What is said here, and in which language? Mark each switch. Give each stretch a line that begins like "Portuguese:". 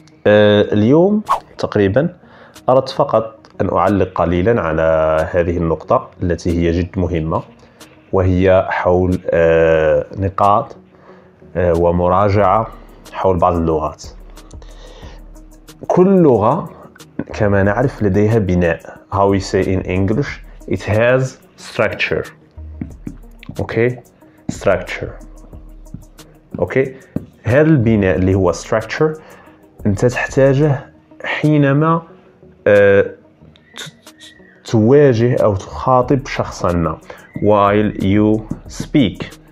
Arabic: اليوم تقريبا أردت فقط أن أعلق قليلا على هذه النقطة التي هي جد مهمة، وهي حول نقاط ومراجعة حول بعض اللغات. كل لغة كما نعرف لديها بناء.
English: How we say in English, it has structure. Okay, structure.
Arabic: أوكي، هذا البناء اللي هو structure أنت تحتاجه حينما تواجه أو تخاطب شخصا ما
English: while you speak.